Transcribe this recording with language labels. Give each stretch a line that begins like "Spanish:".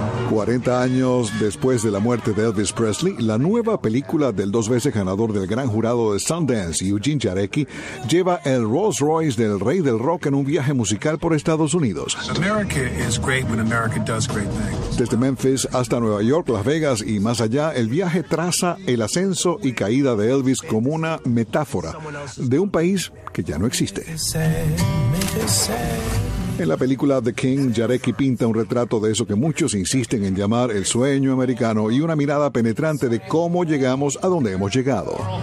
Spanish: Cuarenta años después de la muerte de Elvis Presley, la nueva película del dos veces ganador del Gran Jurado de Sundance, Eugene Jarecki, lleva el Rolls Royce del rey del rock en un viaje musical por Estados Unidos.
English: America is great when America does great things.
Spanish: Desde Memphis hasta Nueva York, Las Vegas y más allá, el viaje traza el ascenso y caída de Elvis como una metáfora de un país que ya no existe. En la película The King, Jarecki pinta un retrato de eso que muchos insisten en llamar el sueño americano y una mirada penetrante de cómo llegamos a donde hemos llegado.